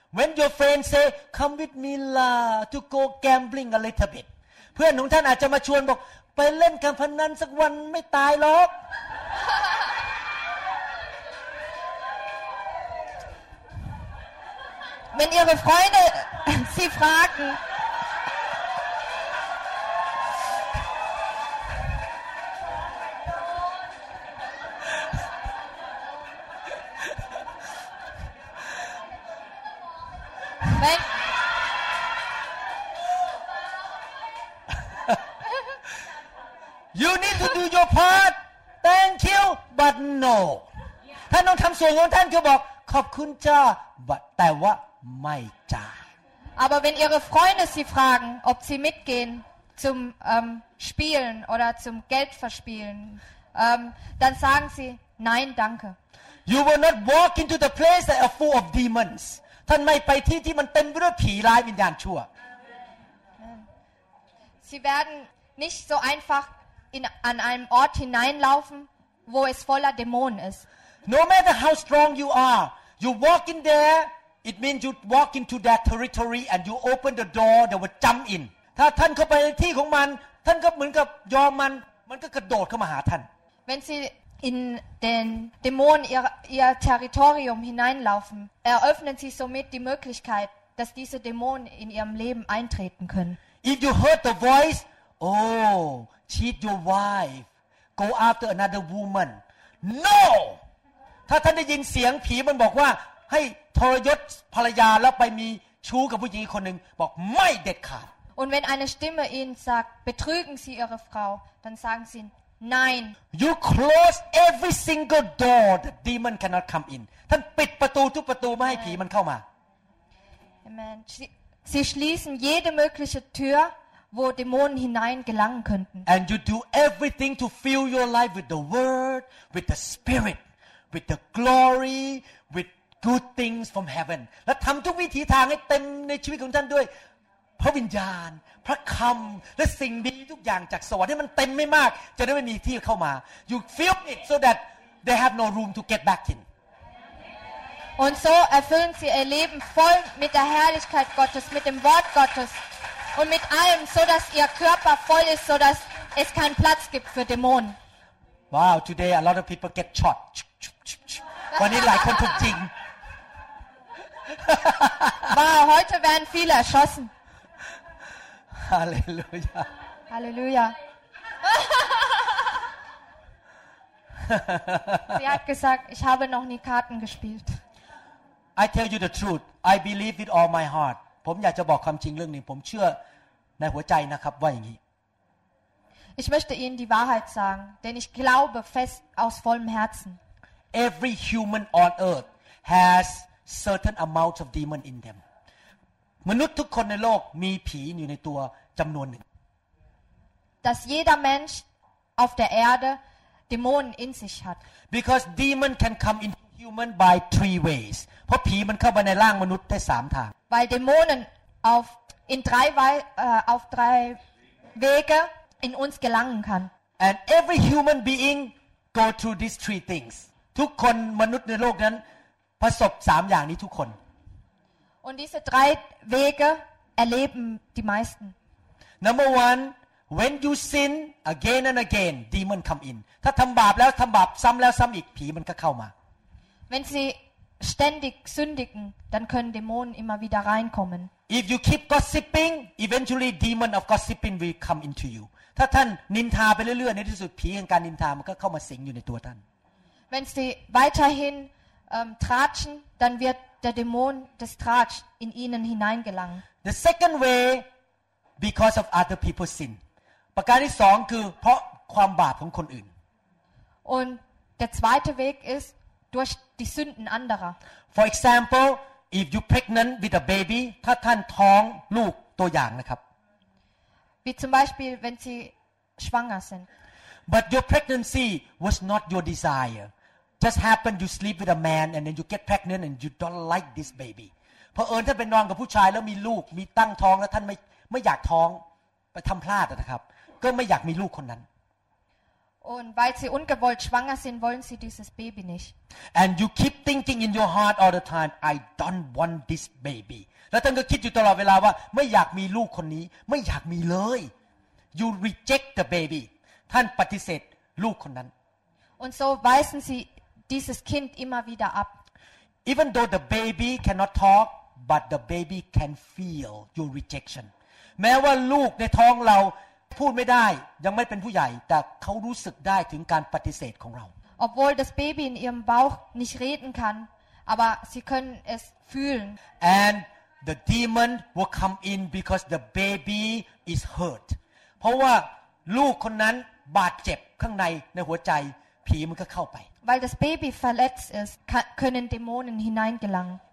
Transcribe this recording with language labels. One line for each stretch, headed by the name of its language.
English: When your friend say, "Come with me, la, to go gambling a little bit."
Thai: เพื่อนของท่านอาจจะมาชวนบอกไปเล่นการพนันสักวันไม่ตายหรอก
German: Wenn Ihre Freunde Sie fragen,
English: You need to do your part. Thank you, but no.
Thai: ท่านต้องทำส่วนของท่านคือบอกขอบคุณจ้าแต่ว่าไม่จ้า
German: Aber wenn ihre Freunde sie fragen, ob sie mitgehen zum spielen oder zum Geld verspielen, dann sagen sie nein, danke.
English: You will not walk into the place that are full of demons.
Thai: ท่านไม่ไปที่ที่มันเต็มไปด้วยผีร้ายวิญญาณชั่ว
German: Sie werden nicht so einfach in an einem Ort hineinlaufen, wo es voller Dämonen ist.
English: No matter how strong you are, you walk in thereIt means you walk into that territory and you open the door. They will jump in.
Thai: ถ้าท่านเข้าไปในที่ของมัน ท่านก็เหมือนกับยอมมันก็กระโดดเข้ามาหาท่าน
German: Wenn sie in den Dämonen ihr Territorium hineinlaufen eröffnen sie somit die Möglichkeit dass diese Dämonen in ihrem Leben eintreten können
English: If you heard the voice oh cheat your wife go after another woman no
Thai: ถ้าท่านได้ยินเสียงผีมันบอกว่าให้ทรยศภรรยาแล้วไปมีชู้กับผู้หญิงอีกคนนึงบอกไม่เด็ดขาด
German: Und wenn eine Stimme ihnen sagt, betrügen Sie Ihre Frau, dann sagen sie, nein.
English: You close every single door that demon cannot come in.
Thai: ท่านปิดประตูทุกประตูไม่ให้ผีมันเข้ามา
English: Amen.
German: Sie schließen jede mögliche Tür, wo Dämonen hineingelangen könnten.
English: And you do everything to fill your life with the Word, with the Spirit, with the glory, with good things from heaven.
Thai: และทำทุกวิธีทางให้เต็มในชีวิตของท่านด้วยพระวิญญาณพระคำและสิ่งดีทุกอย่างจากสวรรค์ให้มันเต็มไม่มากจะได้ไม่มีที่เข้ามา
English: You fill it so that they have no room to get back in
German: Und so erfüllen sie ihr Leben voll mit der Herrlichkeit Gottes mit dem Wort Gottes und mit allem so dass ihr Körper voll ist so dass es keinen Platz gibt für Dämonen
English: Wow today a lot of people get shot
Thai: วันนี้หลายคนถูกยิง
German: Wow heute werden viele erschossen
English: Hallelujah.
German: Halleluja. Sie hat gesagt, ich habe noch nie Karten gespielt.
English: I tell you the truth. I believe with all my heart.
Thai: ผมอยากจะบอกความจริงเรื่องนี้ผมเชื่อในหัวใจนะครับว่าอย่างนี้
German: Ich möchte Ihnen die Wahrheit sagen, denn ich glaube fest aus vollem Herzen.
English: Every human on earth has certain amount of demon in them.
Thai: มนุษย์ทุกคนในโลกมีผีอยู่ในตัวจำนวนหนึ่ง
German: Dass jeder Mensch auf der Erde Dämonen in sich hat
English: Because demon can come into human by three ways
Thai: เพราะผีมันเข้ามาในร่างมนุษย์ได้3ทาง
German: Weil Dämonen auf in drei auf drei Wege in uns gelangen kann
English: And every human being go through these three things
Thai: ทุกคนมนุษย์ในโลกนั้นประสบ3อย่างนี้ทุกคน
German: Und diese drei Wege erleben die meisten.
English: Number one, when you sin again and again, demon come in.
Thai: ถ้าทำบาปแล้วทำบาปซ้ำแล้วซ้ำอีกผีมันก็เข้ามา
German: Wenn sie ständig sündigen, dann können Dämonen immer wieder reinkommen.
English: If you keep gossiping, eventually demon of gossiping will come into you.
Thai: ถ้าท่านนินทาไปเรื่อยๆในที่สุดผีแห่งการนินทามันก็เข้ามาสิงอยู่ในตัวท่าน
German: Wenn sie weiterhin tratschen, dann wirdder Dämon des Tratsch in ihnen hineingelangen.
English: The second way because of other people's sin.
Thai: ประการที่2คือเพราะความบาปของคนอื่น
German: Und der zweite Weg ist durch die Sünden anderer.
English: For example, if you pregnant with a baby,
Thai: ถ้าท่านท้องลูกตัวอย่างนะครับ
German: Wie zum Beispiel wenn sie schwanger sind.
English: But your pregnancy was not your desire. Just happened you sleep with a man and then you get pregnant and you don't like this baby.
Thai: เพราะเอิญท่านไปนอนกับผู้ชายแล้วมีลูกมีตั้งท้องแล้วท่านไม่อยากท้องไปทำพลาดนะครับก็ไม่อยากมีลูกคนนั้น
German: Und weil sie ungewollt schwanger sind wollen sie dieses Baby nicht.
English: And you keep thinking in your heart all the time I don't want this baby.
Thai: แล้วท่านก็คิดอยู่ตลอดเวลาว่าไม่อยากมีลูกคนนี้ไม่อยากมีเลย
English: You reject the baby.
Thai: ท่านปฏิเสธลูกคนนั้น
German: Und so weisen sieDieses Kind immer wieder ab.
English: Even though the baby cannot talk, but the baby can feel your rejection.
Thai: แม้ว่าลูกในท้องเราพูดไม่ได้ยังไม่เป็นผู้ใหญ่แต่เขารู้สึกได้ถึงการปฏิเสธของเรา
German: Obwohl das Baby in ihrem Bauch nicht reden kann, aber sie können es fühlen.
English: And the demon will come in because the baby is hurt.
Thai: เพราะว่าลูกคนนั้นบาดเจ็บข้างในหัวใจผีมันก็เข้าไป
German: Weil das Baby verletzt ist, können Dämonen hineingelangen.